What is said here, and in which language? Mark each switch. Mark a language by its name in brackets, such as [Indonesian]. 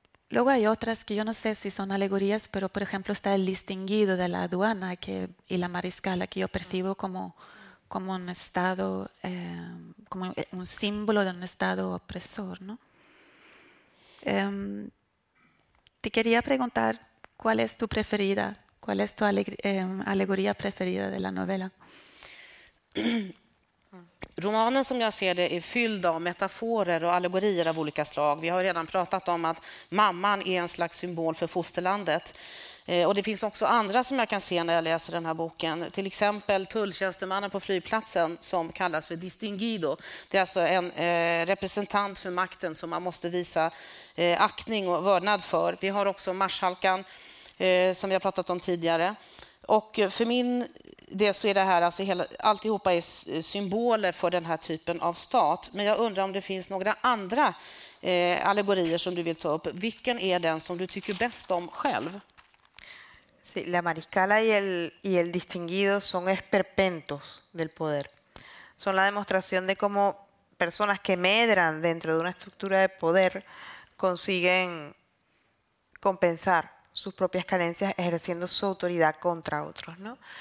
[Spanish] Luego hay otras que yo no sé si son alegorías, pero por ejemplo está el distinguido de la aduana y la mariscala, que yo percibo como un estado, como un símbolo de un estado opresor, ¿no? Te quería preguntar cuál es tu preferida, cuál es tu alegoría preferida de la novela. [Swedish] Romanen som jag ser det är fylld av metaforer och allegorier av olika slag. Vi har redan pratat om att mamman är en slags symbol för fosterlandet. Och det finns också andra som jag kan se när jag läser den här boken. Till exempel tulltjänstemannen på flygplatsen som kallas för Distinguido. Det är alltså en representant för makten som man måste visa aktning och vördnad för. Vi har också marschalkan som vi har pratat om tidigare. Och för min del så är det här alltså alltihopa är symboler för den här typen av stat. Men jag undrar om det finns några andra allegorier som du vill ta upp. Vilken är den som du tycker bäst om själv? [Spanish] Sí, la mariscala y el distinguido son esperpentos del poder. Son la demostración de cómo personas que medran dentro de una estructura de poder consiguen compensar sus propias carencias ejerciendo su autoridad contra otros, ¿no?